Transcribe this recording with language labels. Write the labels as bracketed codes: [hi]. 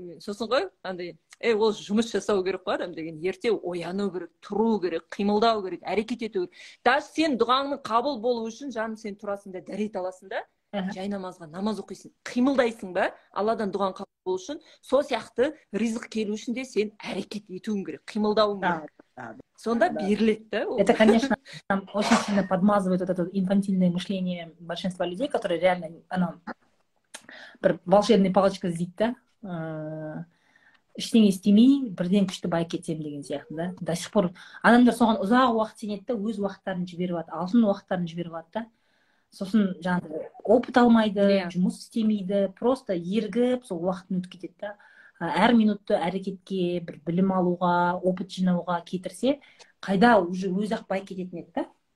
[kk] Сосын ғой андай, ол жұмыс жасау керек қой адам деген. Ерте ояну керек, тұру керек, қимылдау керек, әрекет ету керек. Даже сен дұғаңның қабыл болуы үшін, жаным, сен тұрасың да дәрет аласың да, жай намазға намаз оқисың, қимылдайсың ба алладан дұғаң қабыл болу үшін? Сол сияқты ризық келу үшін де сен әрекет етуің керек, қимылдауың керек. Сонда беріледі да. [ru] Это конечно там очень сильно подмазывает вот это инфантильное мышление большинства людей, которые реально она [kk] бір волшебный палочка іздейді да, ештеңе істемей бірден күшті байып кетемін деген сияқты да. [ru] До сих пор [kk] адамдар соған ұзақ уақыт сенеді да, өз уақыттарын жіберіп жатыр, алтын уақыттарын жіберіп жатыр да, сосын жаңағыдай опыт алмайды, жұмыс істемейді, просто ергіп сол уақытын өтіп кетеді да. Әр минутты әрекетке, бір білім алуға, опыт жинауға кетірсе, қайда уже өз ақ байып кететін еді да.